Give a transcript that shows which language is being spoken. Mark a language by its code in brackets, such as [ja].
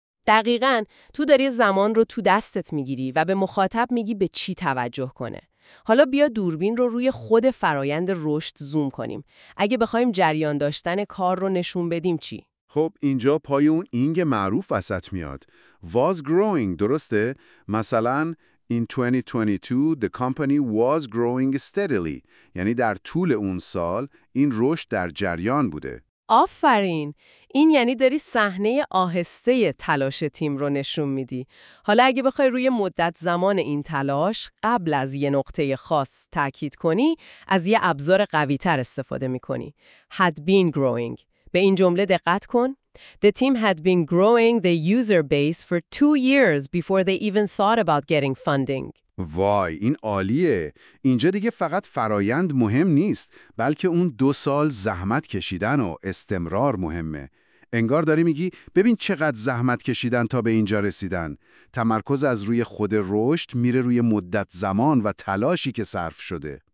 [fa] دقیقاً، تو داری زمان رو تو دستت میگیری و به مخاطب میگی به چی توجه کنه. حالا بیا دوربین رو روی خود فرایند رشد زوم کنیم. اگه بخوایم جریان داشتن کار رو نشون بدیم چی؟ خب اینجا پای اون اینگ معروف وسط میاد. [en] Was growing [fa] درسته؟ مثلا [en] In 2022 the company was growing steadily. [fa] یعنی در طول اون سال این رشد در جریان بوده. آفرین. این یعنی داری صحنه آهسته تلاش تیم رو نشون میدی. حالا اگه بخوای روی مدت زمان این تلاش قبل از یه نقطه خاص تأکید کنی از یه ابزار قوی تر استفاده میکنی. [en] Had been growing. [fa] به این جمله دقت کن. [en] The team had been growing the user base for 2 years before they even thought about getting funding. [fa] وای، این عالیه. اینجا دیگه فقط فرایند مهم نیست، بلکه اون 2 سال زحمت کشیدن و استمرار مهمه. انگار داری میگی ببین چقدر زحمت کشیدن تا به اینجا رسیدن. تمرکز از روی خود رشد میره روی مدت زمان و تلاشی که صرف شده.